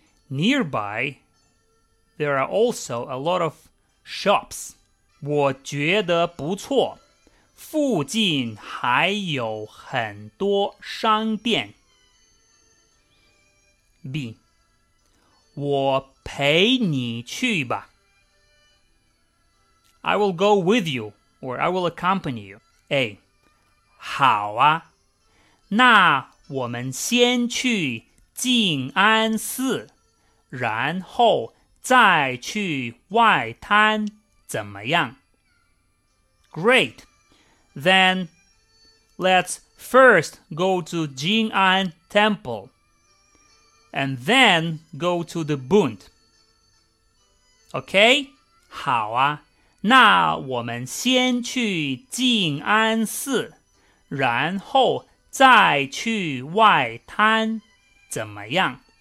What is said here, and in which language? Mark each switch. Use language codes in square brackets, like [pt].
[en] Nearby, there are also a lot of shops. [zh] 我觉得不错，附近还有很多商店。 B. 我陪你去吧。 [en] I will go with you, or I will accompany you. A. [zh] 好啊，那我们先去静安寺，然后再去外滩，怎么样？ [en] Great. Then, let's first go to Jing'an Temple, and then go to the Bund. Okay? [zh] 好啊，那我们先去静安寺，然后再去外滩，怎么样？